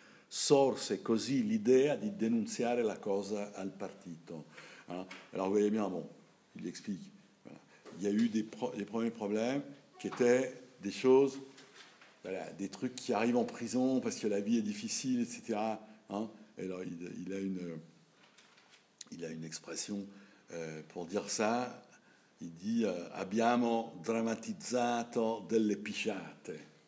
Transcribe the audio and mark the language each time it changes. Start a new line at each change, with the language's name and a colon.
Italian: Sorse così l'idea di denunciare la cosa al partito.
French: Alors, vous voyez bien, bon, il explique. Voilà. Il y a eu des premiers problèmes qui étaient des choses, voilà, des trucs qui arrivent en prison parce que la vie est difficile, etc. Hein? Alors, il a une expression pour dire ça. Il dit
Italian: « abbiamo drammatizzato delle pichate ».